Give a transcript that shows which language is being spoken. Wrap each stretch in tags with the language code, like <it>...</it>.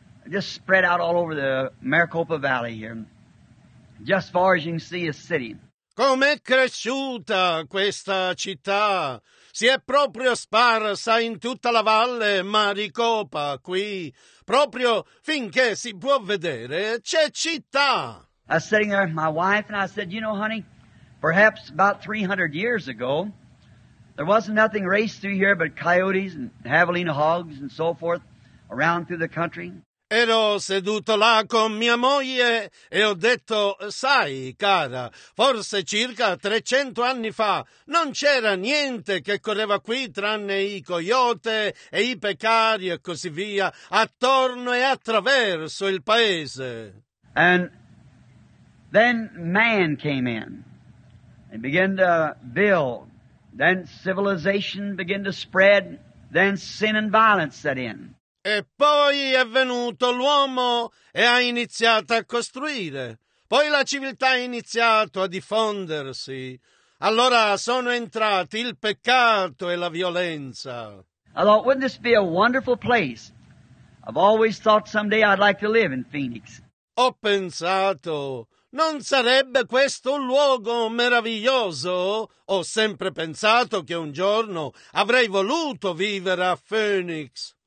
<en>Just spread out all over the Maricopa Valley here. Just as far as you can see a city.</en> <it>Com'è cresciuta questa città? Si è proprio sparsa in tutta la valle Maricopa qui, proprio finché si può vedere c'è città.</it> <en>I was sitting there with my wife and I said, you know, honey, perhaps about 300 years ago, there wasn't nothing raced through here but coyotes and javelina hogs and so forth around through the country.</en> <it>Ero seduto là con mia moglie e ho detto, sai, cara, forse circa 300 anni fa non c'era niente che correva qui tranne i coyote e i pecari e così via, attorno e attraverso il paese.</it> <en>And then man came in and began to build. Then civilization began to spread. Then sin and violence set in.</en> <it>E poi è venuto l'uomo e ha iniziato a costruire. Poi la civiltà ha iniziato a diffondersi. Allora sono entrati il peccato e la violenza. Allora,</it> <en>wouldn't this be a wonderful place? I've always thought someday I'd like to live in Phoenix.</en> <it>Ho pensato, non sarebbe questo un luogo meraviglioso? Ho sempre pensato che un giorno avrei voluto vivere a Phoenix.</it>